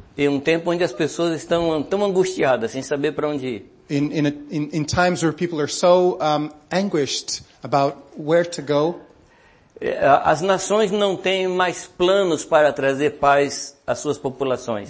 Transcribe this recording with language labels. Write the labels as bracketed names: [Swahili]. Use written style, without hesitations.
[Portuguese] Em um tempo onde as pessoas estão tão angustiadas, sem saber para onde ir. [English] In times where people are so anguished about where to go. [Portuguese] As nações não têm mais planos para trazer paz às suas populações.